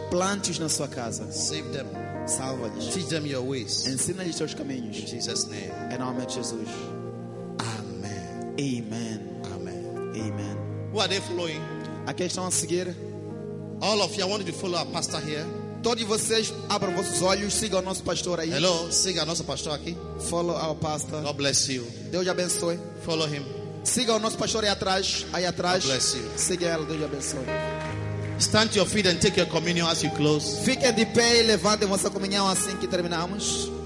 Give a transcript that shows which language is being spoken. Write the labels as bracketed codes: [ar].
[pt] Plante-os na sua casa. [en] Save them. [pt] Salva-lhes. [en] Teach them your ways. [pt] Ensina-lhes seus caminhos. [en] In Jesus' name. [pt] Em nome de Jesus. [en] Amen. Amen. Amen. Amen. Who are they following? [pt] Aqueles estão a seguir. [en] All of you, I want you to follow our pastor here. [pt] Todos vocês abram vossos olhos, sigam o nosso pastor aí. Hello, siga o nosso pastor aqui. [en] Follow our pastor. God bless you. [pt] Deus abençoe. [en] Follow him. [pt] Siga o nosso pastor aí atrás. [en] God bless you. [pt] Siga ele, Deus abençoe. [en] Stand to your feet and take your communion as you close. [pt] Fique de pé e levante vossa comunhão assim que terminamos.